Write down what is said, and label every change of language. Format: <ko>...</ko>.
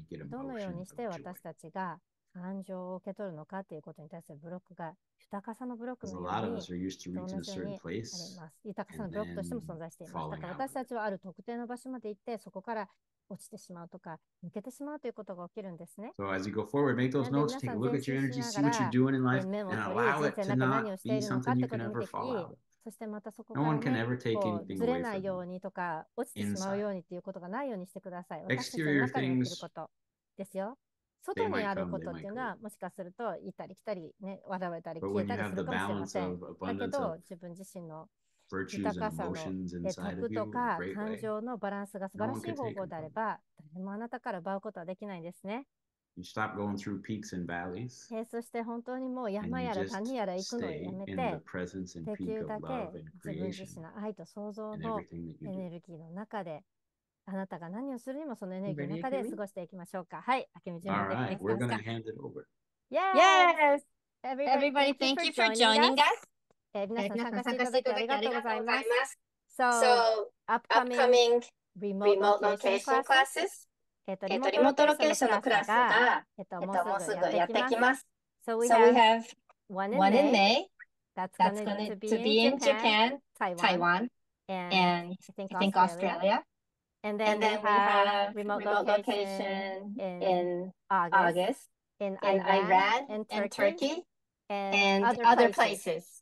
<ja>どのようにして私たちが感情を受け取るのかということに対するブロックが豊かさのブロックのように同じようにあります。豊かさのブロックとしても存在しています。だから私たちはある特定の場所まで行ってそこから落ちてしまうとか抜けてしまうということが起きるんですね。</ja> <en>So as you go forward, make those notes, take a look at your energy, see what you're doing in life, and allow it to not be something you can ever fall out of.</en> <ja>そしてまたそこから、ね、こうずれないようにとか落ちてしまうようにっていうことがないようにしてください。私たちの中にいることですよ。外にあることっていうのはもしかすると行ったり来たりね、わざわざ消えたりするかもしれません。だけど自分自身の豊かさの徳とか感情のバランスが素晴らしい方法であれば、誰もあなたから奪うことはできないんですね。</ja> <en>You stop going through peaks and valleys.</en> <ja>そして本当にもう山やら谷やら行くのをやめて、できるだけ自分自身の愛と創造のエネルギーの中で、あなたが何をするにもそのエネルギーの中で過ごしていきましょうか。はい、明美準備できますか。</ja> <en>We're gonna hand it over. Yes. Everybody, thank you for joining us.</en> <ja>皆さん参加していただきありがとうございます。</ja> <en>So upcoming remote location classes.</en> <ja>リモートロケーションのクラスが、もうすぐやってきます。</ja> <en>So we have, one in May that's going to be in Japan, Taiwan, and I think Australia. And then we have remote location in August in Iran and Turkey and other places.</en>